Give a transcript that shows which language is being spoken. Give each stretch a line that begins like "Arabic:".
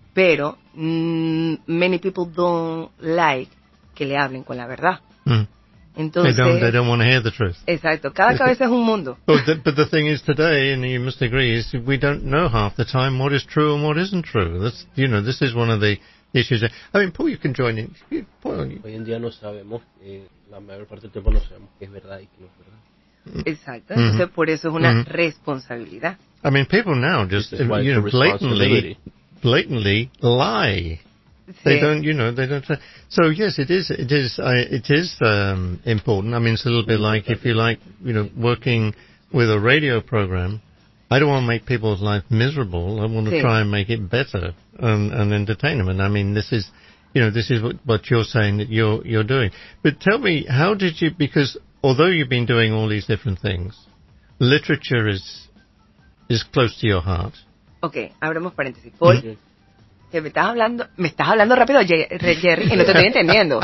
Spanish: pero
English: many people don't like
Spanish: que le hablen con la verdad. Mm. Entonces,
English: they don't want to hear the truth.
Spanish: Exacto. Cada cabeza es un mundo.
English: But the thing is today, and you must agree, is we don't know half the time what is true and what isn't true. That's, you know, this is one of the issues. I mean, Paul, you can join in.
Spanish: Hoy en día no sabemos, la mayor parte del tiempo no sabemos qué es verdad y qué no es verdad. Exacto. Entonces, mm-hmm. por eso es una mm-hmm. responsabilidad.
English: I mean, people now just, you know, blatantly lie.
Spanish: Sí.
English: They don't, you know, they don't. So yes, it is important. I mean, it's a little bit like if you like, you know, working with a radio program. I don't want to make people's life miserable. I want to sí. try and make it better and entertain them. And I mean, this is, you know, this is what you're saying that you're doing. But tell me, how did you? Because although you've been doing all these different things, literature is close to your heart.
Spanish: Okay, abramos paréntesis. Paul. Mm-hmm. Me estás hablando rápido, Jerry, y no te estoy entendiendo.